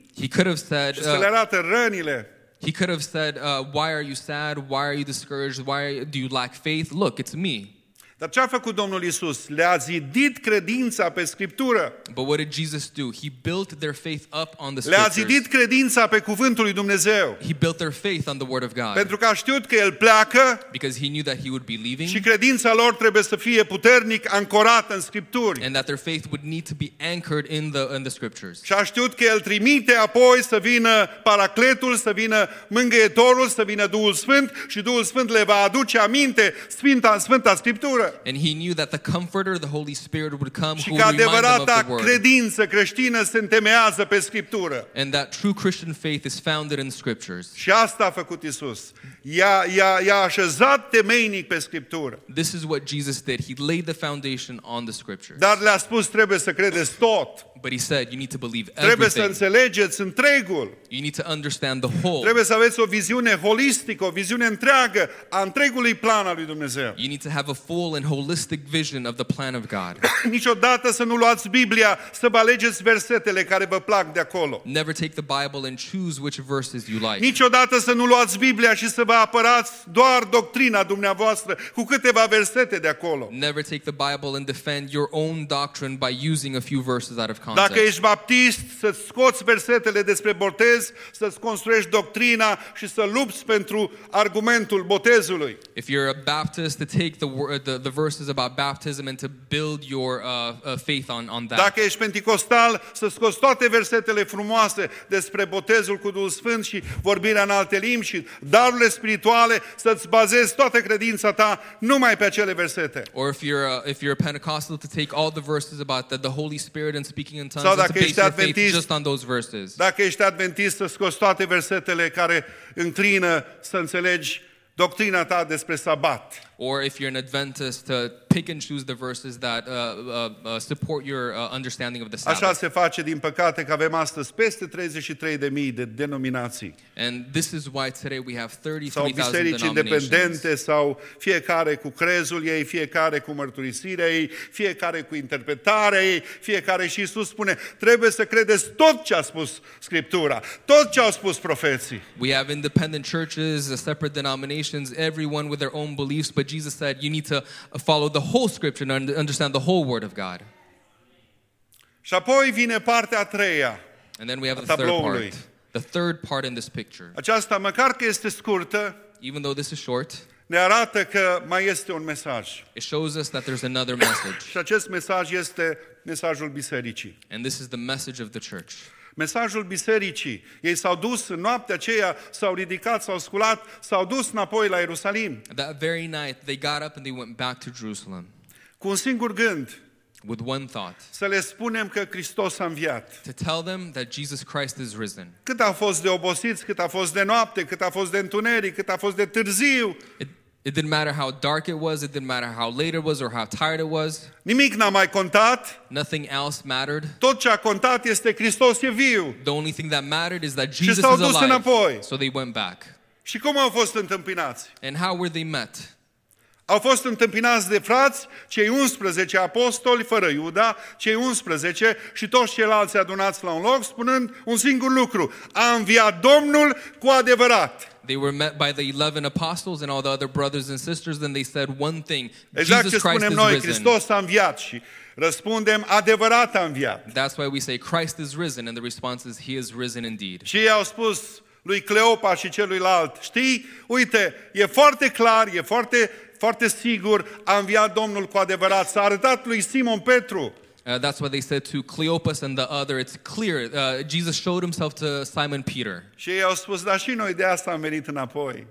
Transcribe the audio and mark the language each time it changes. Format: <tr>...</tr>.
<en>He could have said,</en> <ro>și să le arată rănile.</ro> <en>He could have said, why are you sad, why are you discouraged, why do you lack faith, look, it's me.</en> <ro>Dar ce a făcut Domnul Iisus? Le-a zidit credința pe Scriptură.</ro> <en>But what did Jesus do? He built their faith up on the Scriptures.</en> <ro>Le-a zidit credința pe Cuvântul lui Dumnezeu.</ro> <en>He built their faith on the Word of God.</en> <ro>Pentru că a știut că El pleacă.</ro> <en>Because he knew that he would be leaving.</en> <ro>Și credința lor trebuie să fie puternic ancorată în Scripturi.</ro> <en>And that their faith would need to be anchored in the Scriptures.</en> <ro>Și a știut că El trimite apoi să vină Paracletul, să vină Mângâietorul, să vină Duhul Sfânt și Duhul Sfânt le va aduce aminte Sfânta Scriptură.</ro> <en>And he knew that the Comforter, the Holy Spirit, would come who would remind them of the Word.</en> <ro>Credință creștină se întemeiază pe Scriptură.</ro> <en>And that true Christian faith is founded in Scriptures.</en> <ro>Și asta a făcut Iisus. I-a așezat temeinic pe Scriptură.</ro> <en>This is what Jesus did. He laid the foundation on the Scriptures.</en> <ro>Dar le-a spus, trebuie să credeți tot.</ro> <en>But he said, you need to believe everything.</en> <ro>Trebuie să înțelegeți întregul.</ro> <en>You need to understand the whole.</en> <ro>Trebuie să aveți o viziune holistică, o viziune întreagă a întregului plan al lui Dumnezeu.</ro> <en>You need to have a full and holistic vision of the plan of God.</en> <ro>Niciodată să nu luați Biblia, să vă alegeți versetele care vă plac de acolo.</ro> <en>Never take the Bible and choose which verses you like.</en> <ro>Niciodată să nu luați Biblia și să vă apărați doar doctrina dumneavoastră cu câteva versete de acolo.</ro> <en>Never take the Bible and defend your own doctrine by using a few verses out of context.</en> <ro>Dacă ești baptist, să-ți scoți versetele despre botez, să-ți construiești doctrina și să lupți pentru argumentul botezului.</ro> <en>If you're a Baptist, to take the verses about baptism and to build your faith on that.</en> <ro>Dacă ești pentecostal, să scoți toate versetele frumoase despre botezul cu Duhul Sfânt și vorbirea în alte limbi și darurile spirituale, să-ți bazezi toată credința ta numai pe acele versete.</ro> <en>Or if you're a Pentecostal, to take all the verses about the Holy Spirit and speaking in tongues,</en> <ro>sau dacă ești adventist,</ro> <en>just on those verses.</en> <ro>Dacă ești adventist, să scoți toate versetele care înclină să înțelegi doctrina ta despre sabat.</ro> <en>Or if you're an Adventist, to pick and choose the verses that support your understanding of the Sabbath.</en> <ro>Așa se face, din păcate, că avem astăzi peste 33.000 de denominații.</ro> <en>And this is why today we have 33,000 denominations.</en> <ro>Sau biserici independente, sau fiecare cu crezul ei, fiecare cu mărturisirea ei, fiecare cu interpretarea ei, fiecare. Și Iisus spune, trebuie să credeți tot ce a spus Scriptura, tot ce au spus profeții.</ro> <en>We have independent churches, separate denominations, everyone with their own beliefs, but Jesus said you need to follow the whole scripture and understand the whole word of God.</en> <ro>Și apoi vine partea a treia.</ro> <en>And then we have the third part. The third part in this picture.</en> <ro>Aceasta, măcar că este scurtă,</ro> <en>even though this is short,</en> <ro>ne arată că mai este un mesaj.</ro> <en>It shows us that there's another message.</en> <ro>Și acest mesaj este mesajul bisericii.</ro> <en>And this is the message of the church.</en> <ro>Mesajul bisericii. Ei s-au dus în noaptea aceea, s-au ridicat, s-au sculat, s-au dus înapoi la Ierusalim.</ro> <en>That very night they got up and they went back to Jerusalem.</en> <ro>Cu un singur gând.</ro> <en>With one thought.</en> <ro>Să le spunem că Hristos a înviat.</ro> <en>To tell them that Jesus Christ is risen.</en> <ro>Cât a fost de obosiți, cât a fost de noapte, cât a fost de întuneric, cât a fost de târziu.</ro> <en>It didn't matter how dark it was, it didn't matter how late it was or how tired it was.</en> <ro>Nimic n-a mai contat.</ro> <en>Nothing else mattered.</en> <ro>Tot ce a contat este Hristos e viu.</ro> <en>The only thing that mattered is that Jesus is alive.</en> <ro>Și s-au dus înapoi.</ro> <en>So they went back.</en> <ro>Și cum au fost întâmpinați?</ro> <en>And how were they met?</en> <ro>Au fost întâmpinați de frați, cei 11 apostoli, fără Iuda, cei 11 și toți ceilalți adunați la un loc, spunând un singur lucru. A înviat Domnul cu adevărat.</ro> <en>They were met by the 11 apostles and all the other brothers and sisters, and they said one thing,</en> <ro>exact</ro> <en>Jesus Christ</en> <ro>spunem</ro> <en>is</en> <ro>noi,</ro> <en>risen.</en> <ro>Hristos a înviat, și răspundem, adevărat a înviat.</ro> <en>That's why we say Christ is risen, and the response is, he is risen indeed.</en> <ro>Și ei au spus lui Cleopa și celuilalt, știi, uite, e foarte clar, e foarte... foarte sigur a înviat Domnul cu adevărat. S-a arătat lui Simon Petru.</ro> <en>That's what they said to Cleopas and the other. It's clear. Jesus showed himself to Simon Peter.</en> <ro>Și ei au spus, da, și noi de asta am venit înapoi.</ro>